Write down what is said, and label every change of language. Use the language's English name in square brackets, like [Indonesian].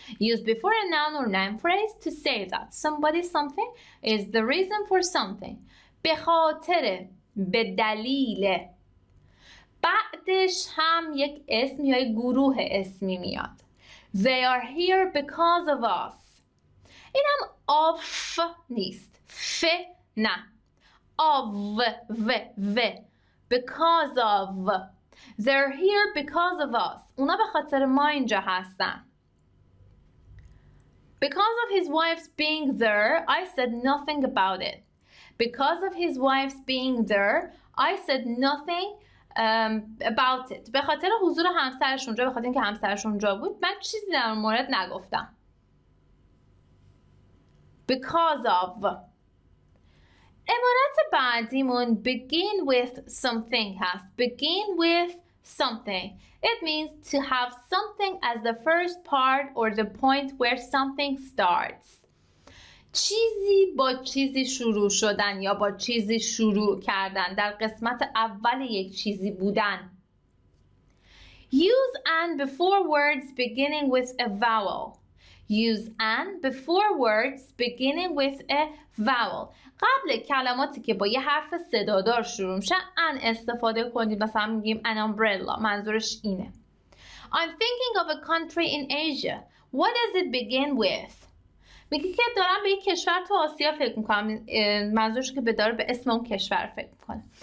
[English] Used before a noun or noun phrase to say that somebody something is the reason for something. [Persian] به خاطر، به دلیل. بعدش هم یک اسم یا گروه اسمی میاد. [English] They are here because of us. [Persian] این هم of نیست. ف نه. [English] Of, v, because of. They're here because of us. [Persian] اونا به خاطر ما اینجا هستن. [English] Because of his wife's being there, I said nothing about it. Because of his wife's being there, I said nothing about it. [Persian] به خاطر حضور همسرش اونجا، به خاطر اینکه همسرش اونجا بود، من چیزی در مورد نگفتم. [English] Because of. [Persian] عبارت بعدیمون [English] begin with something هست. Begin with something. It means to have something as the first part or the point where something starts. [Persian] چیزی با چیزی شروع شدن یا با چیزی شروع کردن، در قسمت اول یک چیزی بودن. [English] Use and before words beginning with a vowel. Use and before words beginning with a vowel. [Persian] قبل کلماتی که با یه حرف صدادار شروع میشن ان استفاده کنید. مثلا میگیم an umbrella، منظورش اینه. [English] I'm thinking of a country in Asia. What does it begin with? [Persian] میگه که دارم به یک کشور تو آسیا فکر میکنم، منظورش که داره به اسم اون کشور فکر میکنه.